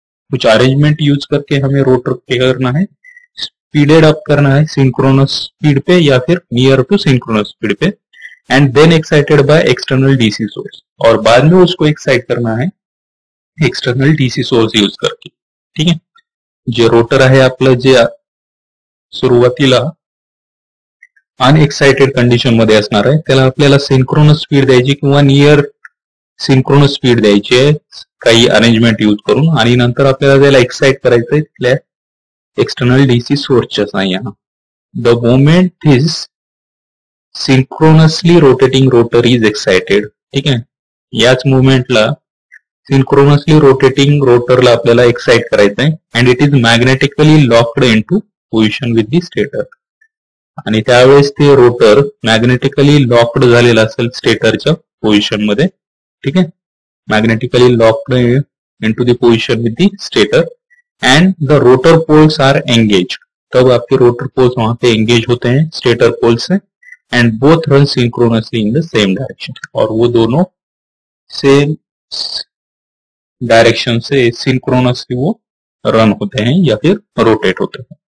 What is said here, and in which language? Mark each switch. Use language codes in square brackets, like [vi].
[hi] कुछ arrangement use करके हमें रोटर क्या करना है, स्पीडेड अप करना है सिंक्रोनस स्पीड पे, या फिर नियर टू सिंक्रोनस स्पीड पे. [en] And then excited by external DC source. [hi] और बाद में उसको एक्साइट करना है एक्सटर्नल डीसी सोर्स यूज करके. [mr] ठीक है, जो रोटर है आपका, जे सुरुवातीला अनएक्साइटेड कंडिशन मध्ये असणार आहे, त्याला आपल्याला सिंक्रोनस स्पीड द्यायची किंवा नियर सिंक्रोनस स्पीड द्यायची आहे काही अरेंजमेंट यूज करून. आणि नंतर आपल्याला त्याला एक्साइट करायचं आहे एक्सटर्नल डीसी सोर्सच्या साह्याने. [en] The moment is synchronously rotating rotor is excited. [mr] ठीक आहे, याच मुवमेंटला सिंक्रोनसली रोटेटिंग रोटरला आपल्याला एक्साइट करायचं आहे. [en] And it is magnetically locked in to position with the stator. [mr] आणि त्यावेळेस ते रोटर मॅग्नेटिकली लॉक्ड झालेला असेल स्टेटरच्या पोझिशन मध्ये. ठीक आहे, [en] Magnetically locked in to the position with the stator. And the rotor poles are engage. [hi] तब आपके रोटर पोल्स वहां पे एंगेज होते हैं स्टेटर पोल्स से. [en] And both run synchronously in the same direction. [hi] और वो दोनों सेम डायरेक्शन से सिंक्रोनसली वो रन होते हैं, या फिर रोटेट होते हैं.